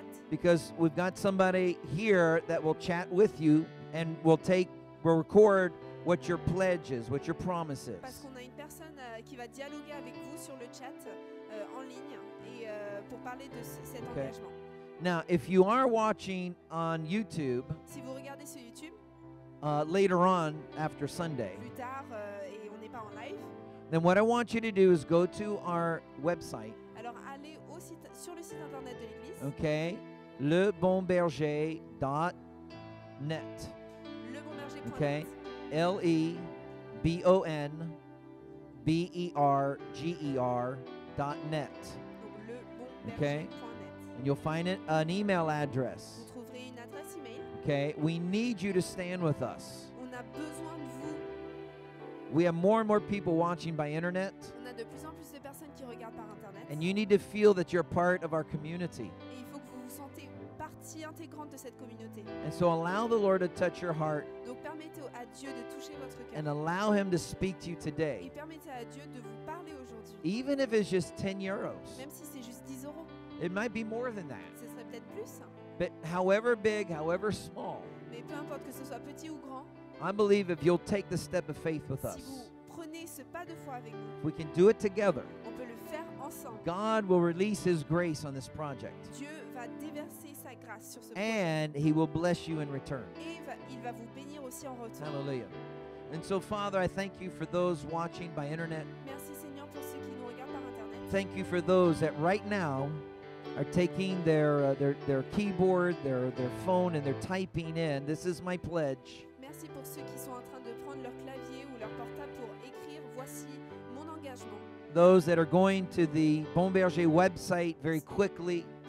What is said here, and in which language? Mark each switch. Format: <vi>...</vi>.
<en>Because we've got somebody here that will chat with you and will record what your pledge is, what your promise is.</en> <fr>Parce qu'on a une personne qui va dialoguer avec vous sur le chat en ligne et pour parler de cet engagement.</fr> <en>Now, if you are watching on YouTube,</en> <fr>si vous regardez sur YouTube,</fr> <en>later on after Sunday,</en> <fr>plus tard et on n'est pas en live,</fr> <en>then what I want you to do is go to our website.</en> <fr>Alors allez au site, sur le site internet de l'église.</fr> <en>Okay, lebonberger.net.</en> <fr>Okay, lebonberger.net.</fr> <en>Okay, and you'll find it an email address.</en> <fr>Vous trouverez une adresse email.</fr> <en>Okay, we need you to stand with us.</en> <fr>On a besoin de vous.</fr> <en>We have more and more people watching by internet.</en> <fr>On a de plus en plus de personnes qui regardent par internet.</fr> <en>And you need to feel that you're part of our community.</en> <fr>De cette communauté.</fr> <en>And so allow the Lord to touch your heart.</en> <fr>Donc permettez à Dieu de toucher votre cœur.</fr> <en>And allow him to speak to you today.</en> <fr>Et permettez à Dieu de vous parler aujourd'hui.</fr> <en>Even if it's just 10 euros.</en> <fr>Même si c'est juste 10 euros.</fr> <en>It might be more than that.</en> <fr>Ce serait peut-être plus.</fr> <en>But however big, however small.</en> <fr>Mais peu importe que ce soit petit ou grand.</fr> <en>I believe if you'll take the step of faith with us.</en> <fr>Si vous prenez ce pas de foi avec nous.</fr> <en>We can do it together.</en> <fr>On peut le faire ensemble.</fr> <en>God will release his grace on this project.</en> <fr>Dieu va déverser.</fr> <en>And he will bless you in return.</en> <fr>Il va vous bénir aussi en retour.</fr> <en>Hallelujah. And so, Father, I thank you for those watching by internet.</en> <fr>Merci, Seigneur, pour ceux qui nous regardent par internet.</fr> <en>Thank you for those that right now are taking their keyboard, their phone, and they're typing in. This is my pledge.</en> <fr>Merci pour ceux qui sont en train de prendre leur clavier ou leur portable pour écrire. Voici mon engagement.</fr> <en>Those that are going to the Bonberger website very quickly.</en>